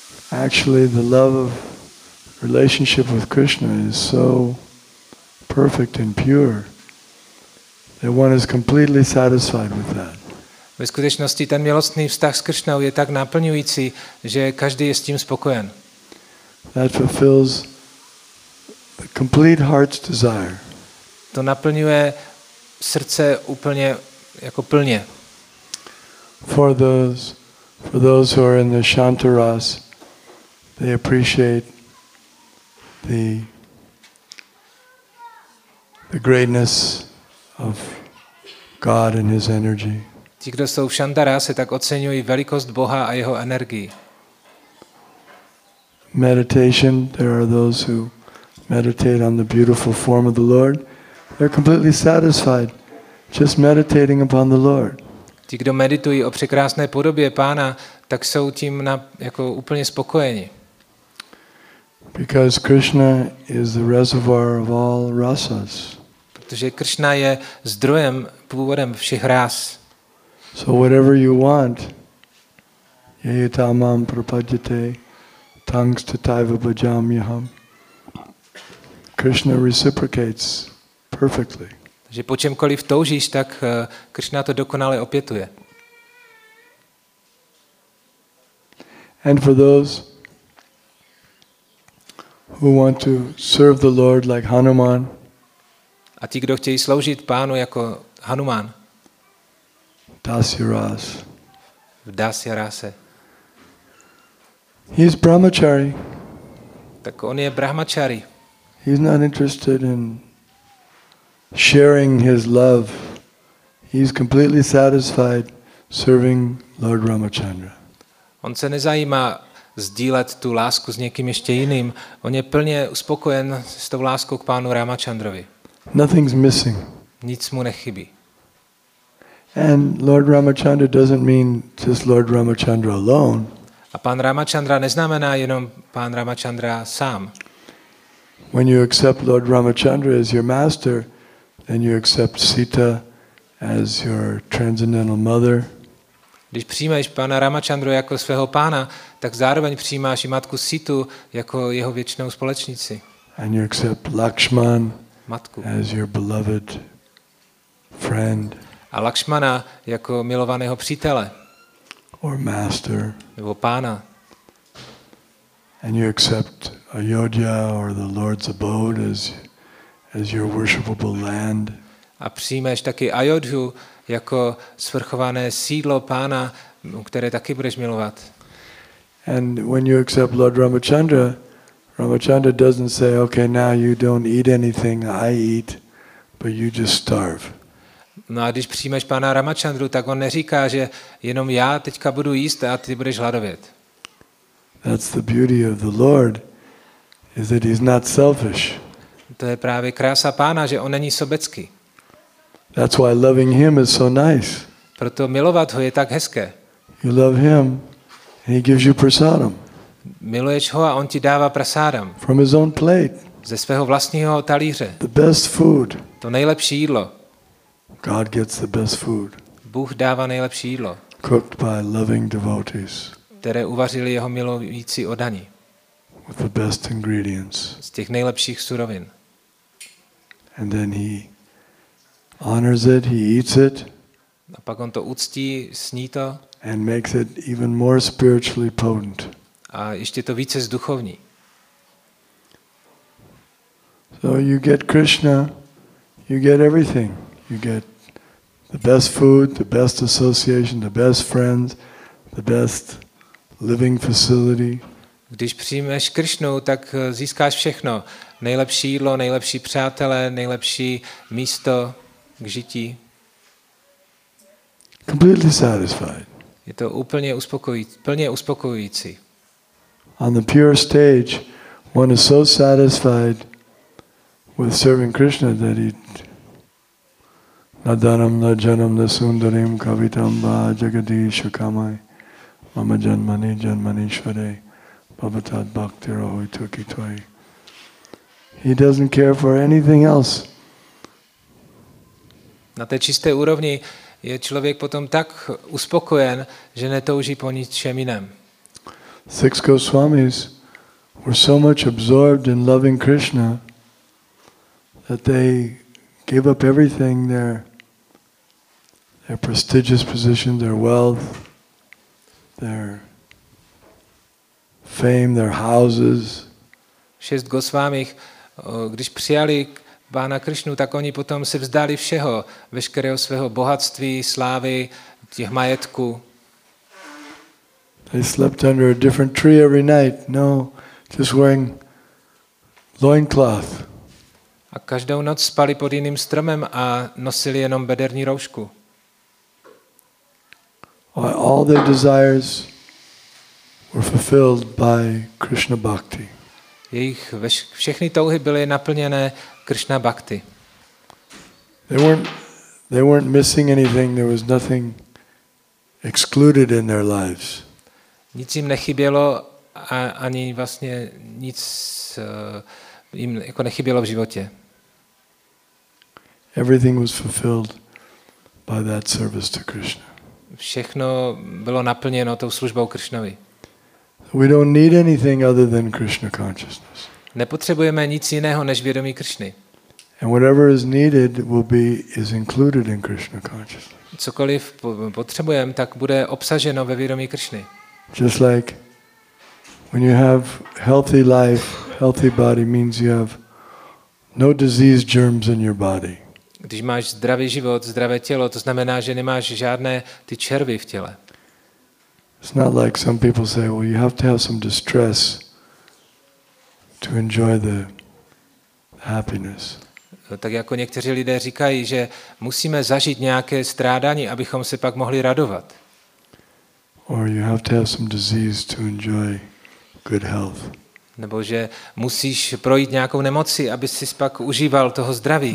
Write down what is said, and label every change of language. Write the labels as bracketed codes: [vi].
[en] Actually, the love of relationship with Krishna is so perfect and pure that one is completely satisfied with that. [cs] Ve skutečnosti ten milostný vztah s Krishnou je tak naplňující, že každý je s tím spokojen. [en] That fulfills the complete heart's desire. [cs] To naplňuje srdce úplně jako plně. [en] For those who are in the Shantaras, they appreciate the greatness of God and His energy. [cs] Ti, kdo jsou v Shantarase, tak oceňují velikost Boha a jeho energii. [en] Meditation. There are those who meditate on the beautiful form of the Lord. They're completely satisfied just meditating upon the Lord. [cs] Ti, kdo meditují o překrásné podobě Pána, tak jsou tím na, jako úplně spokojeni. [en] Because Krishna is the reservoir of all rasas. [cs] Protože Krishna je zdrojem, původem všech ras. [en] So whatever you want, [sa] yayatamam prapadyate tangstataiva bhajamyaham. [en] Krishna reciprocates perfectly. [cs] Že po čemkoliv toužíš, tak Krishna to dokonale opětuje. [en] And for those who want to serve the Lord like Hanuman, [cs] a ti, kdo chtějí sloužit Pánu jako Hanuman, [en] Dasyaras, [cs] v Dasyarase, [en] he's brahmachari. [cs] Tak on je brahmachari. [en] He's not interested in sharing his love. He's completely satisfied serving Lord Ramachandra. [cs] On se nezajímá sdílet tu lásku s někým ještě jiným. On je plně uspokojen s tou láskou k pánu Ramachandrovi. [en] Nothing's missing. [cs] Nic mu nechybí. [en] And Lord Ramachandra doesn't mean just Lord Ramachandra alone. [cs] A pán Ramachandra neznamená jenom pán Ramachandra sám. [en] When you accept Lord Ramachandra as your master, then you accept Sita as your transcendental mother. [cs] Když přijmeš pána Ramachandru jako svého pána, tak zároveň přijímáš i matku Situ jako jeho věčnou společnici. [en] And you accept Lakshman [cs] matku [en] as your beloved friend. [cs] A Lakshmana jako milovaného přítele. [en] Or master. [cs] Nebo pána. [en] And you accept Ayodhya or the Lord's abode as your worshipable land. [cs] A přijmeš taky Ayodhu jako svrchované sídlo pána, které taky budeš milovat. [en] And when you accept Lord Ramachandra, Ramachandra doesn't say, okay, now you don't eat anything, I eat, but you just starve. [cs] No a když přijmeš pána Ramachandru, tak on neříká, že jenom já teďka budu jíst a ty budeš hladovět. [en] That's the beauty of the Lord, is that he's not selfish. [cs] To je právě krása pána, že on není sobecký. [en] That's why loving him is so nice. [cs] Proto milovat ho je tak hezké. [en] You love him and he gives you prasadam. [cs] Miluješ ho a on ti dává prasadam. [en] From his own plate. [cs] Ze svého vlastního talíře. [en] The best food. [cs] To nejlepší jídlo. [en] God gets the best food. [cs] Bůh dává nejlepší jídlo. [en] Cooked by loving devotees. [cs] Které uvařili jeho milující oddaní. [en] With the best ingredients. [cs] Z těch nejlepších surovin. [en] And then he honors it, he eats it. [cs] A pak on to uctí, sní to. [en] And makes it even more spiritually potent. [cs] A ještě to více zduchovní. [en] So you get Krishna, you get everything. You get the best food, the best association, the best friends, the best living facility. [cs] Když přijmeš Krishnu, tak získáš všechno. Nejlepší jídlo, nejlepší přátelé, nejlepší místo k žití. [en] Completely satisfied. [cs] Je to úplně uspokojující, plně uspokojující. [en] On the pure stage, one is so satisfied with serving Krishna that he [sa] Nadanam Najanam Nasundarim Kavitamba Jagadishakamai Mama Janmani Janmanishvade Bhavatad Bhakti Rahoi Tukitoi. [en] He doesn't care for anything else. [cs] Na té čisté úrovni je člověk potom tak uspokojen, že netouží po ničem jiném. [en] Six Goswamis were so much absorbed in loving Krishna that they gave up everything, their prestigious position, their wealth, their fame, their houses. [cs] Šest Gosvámích, když přijali Pána Krišnu, tak oni potom se vzdali všeho, veškerého svého bohatství, slávy, těch majetků. [en] They slept under a different tree every night. No, just wearing loincloth. [cs] A každou noc spali pod jiným stromem a nosili jenom bederní roušku. [en] All their desires were fulfilled by Krishna bhakti. [cs] Jejich všechny touhy byly naplněné Krishna bhakti. [en] They weren't missing anything. There was nothing excluded in their lives. [cs] Nic jim nechybělo a ani vlastně nic jim jako nechybělo v životě. [en] Everything was fulfilled by that service to Krishna. [cs] Všechno bylo naplněno tou službou Krishnovi. [en] We don't need anything other than Krishna consciousness. [cs] Nepotřebujeme nic jiného než vědomí Krishny. [en] And whatever is needed will be is included in Krishna consciousness. [cs] Cokoliv potřebujeme, tak bude obsaženo ve vědomí Krishny. [en] Just like when you have healthy life, healthy body means you have no disease germs in your body. [cs] Když máš zdravý život, zdravé tělo, to znamená, že nemáš žádné ty červy v těle. [en] It's not like some people say, well, you have to have some distress to enjoy the happiness. [cs] Tak jako někteří lidé říkají, že musíme zažít nějaké strádání, abychom se pak mohli radovat. [en] Or you have to have some disease to enjoy good health. [cs] Nebo že musíš projít nějakou nemocí, aby si pak užíval toho zdraví.